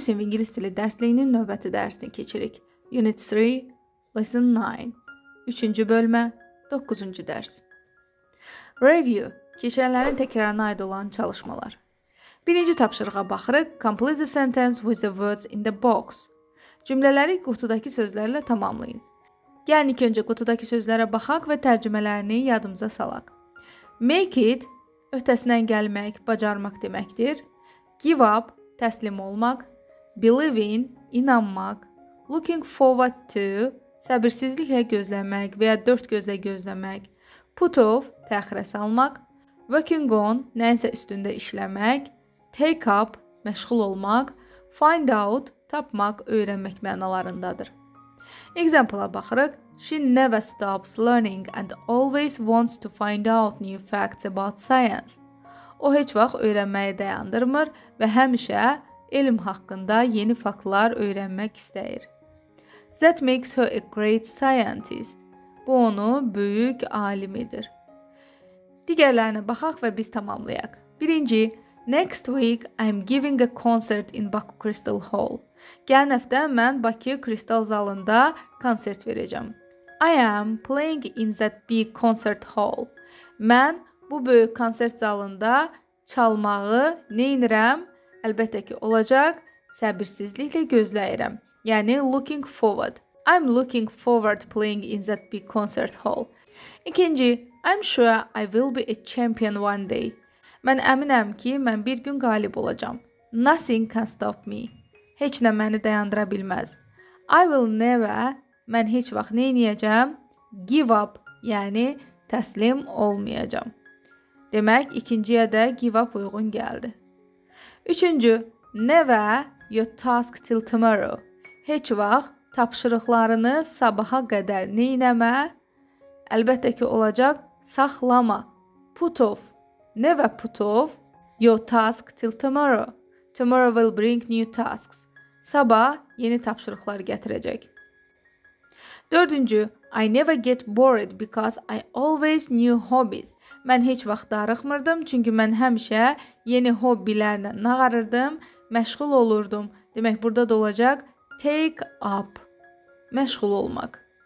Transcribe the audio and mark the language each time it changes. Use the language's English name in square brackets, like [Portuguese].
[Azerbaijani] sinif İngiliz dili dərsliyinin növbəti dərsini keçirik. Unit 3, Lesson 9. 3-cü bölmə, 9-cu dərs. Review, keçənlərin təkrarına aid olan çalışmalar. 1-ci tapşırığa baxırıq. [English] Complete the sentence with the words in the box. [Azerbaijani] Cümlələri qutudakı sözlərlə tamamlayın. Gəlin ilk öncə qutudakı sözlərə baxaq və tərcümələrini yadımıza salaq. Make it öhdəsindən gəlmək, bacarmaq deməkdir. Give up, təslim olmaq. Believe in, inanmaq. Looking forward to, səbirsizliklə gözləmək və ya dörd gözlə gözləmək. Put off, təxirə salmaq. Working on, nəyinsə üstündə işləmək. Take up, məşğul olmaq. Find out, tapmaq, öyrənmək mənalarındadır. Example-a baxırıq. [English] She never stops learning and always wants to find out new facts about science. [Azerbaijani] O heç vaxt öyrənməyi dayandırmır və həmişə elm haqqında yeni faktlar öyrənmək istəyir. [English] That makes her a great scientist. [Azerbaijani] Bu onu böyük alim edir. Digərlərinə baxaq və biz tamamlayaq. [English] Birinci, next week I'm giving a concert in Baku Crystal Hall. [Azerbaijani] Gələn həftə mən Bakı Kristal Zalında konsert verəcəm. [English] I am playing in that big concert hall. [Azerbaijani] Mən bu böyük konsert zalında çalmağı neynirəm? Əlbəttə ki, olacaq. Səbirsizliklə gözləyirəm. Yəni, looking forward. [English] I'm looking forward playing in that big concert hall. İkinci, I'm sure I will be a champion one day. [Azerbaijani] Mən əminəm ki, mən bir gün qalib olacağım. [English] Nothing can stop me. [Azerbaijani] Heç nə məni dayandıra bilməz. [English] I will never... [Azerbaijani] Mən heç vaxt neyniyəcəm? Give up, yəni təslim olmayacağım. Demək, ikinciyə də give up uyğun gəldi. Üçüncü, [English] never your task till tomorrow. [Azerbaijani] Heç vaxt tapşırıqlarını sabaha qədər neynəmə? Əlbəttə ki, olacaq saxlama. [English] Put off, never put off your task till tomorrow. Tomorrow will bring new tasks. [Azerbaijani] Sabah yeni tapşırıqlar gətirəcək. [English] Dördüncü, I never get bored because I always new hobbies. [Azerbaijani] Mən heç vaxt darıxmırdım, çünki mən həmişə yeni hobbilərlə nağarırdım, məşğul olurdum. Demək, burada da olacaq take up, məşğul olmaq.